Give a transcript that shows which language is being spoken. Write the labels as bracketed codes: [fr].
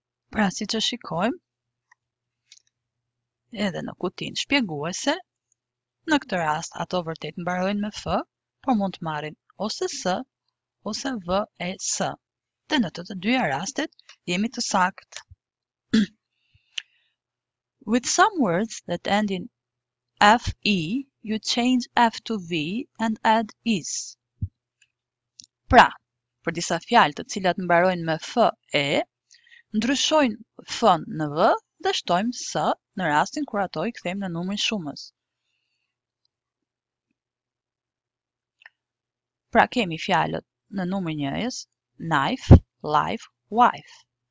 [sq] Pra si që shikojmë, edhe në kutinë shpjeguese, në këtë rast ato vërtet mbarojnë me f, por mund të marrin ose s ose v e s. Dhe në të dyja rastet jemi të saktë. [en] With some words that end in fe, you change f to v and add is. [sq] Pra, për disa fjalë të cilat mbarojnë me f e, ndryshojnë f në v dhe shtojmë s në rastin kur ato i kthejmë në numrin shumës. Pra kemi fjalët në numrin njëjës, [en] knife, life, wife.